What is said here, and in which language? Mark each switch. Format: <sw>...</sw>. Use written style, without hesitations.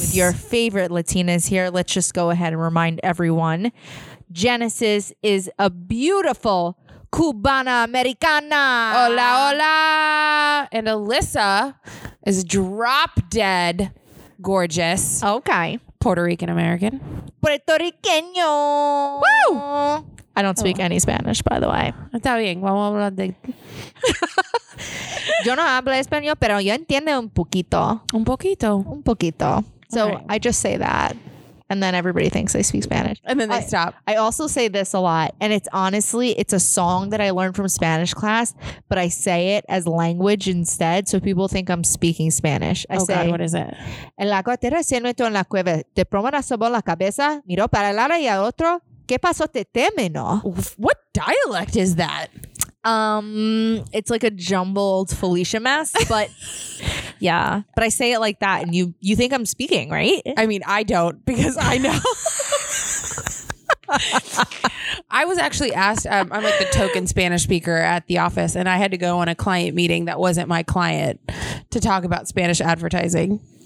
<en>with your favorite Latinas here. Let's just go ahead and remind everyone, Genesis is a beautiful</en> <es>Cubana Americana. Hola, hola.</es> <en>And Alyssa is drop dead gorgeous. Okay. Puerto Rican American.</en> <es>Puerto Riqueño. Woo!</es> <en>I don't speak any Spanish, by the way.</en> <es>Está bien. Vamos a hablar de... Yo no hablo español, pero yo entiendo un poquito. Un poquito. Un poquito.</es> <en>So right. I just say that. And then everybody thinks I speak Spanish. And then they stop. I also say this a lot. And it's honestly, it's a song that I learned from Spanish class, but I say it as language instead. So people think I'm speaking Spanish. God, what is it?</en> <es>En la cuartera se meto en la cueva. Te promo la sobo la cabeza. Miro para el lado y al otro. ¿Qué pasó te teme, no?</es> <en>What dialect is that? It's like a jumbled Felicia mess, but yeah, but I say it like that and you think I'm speaking, right? I mean, I don't because I know. I was actually asked, I'm like the token Spanish speaker at the office, and I had to go on a client meeting that wasn't my client to talk about Spanish advertising.</en>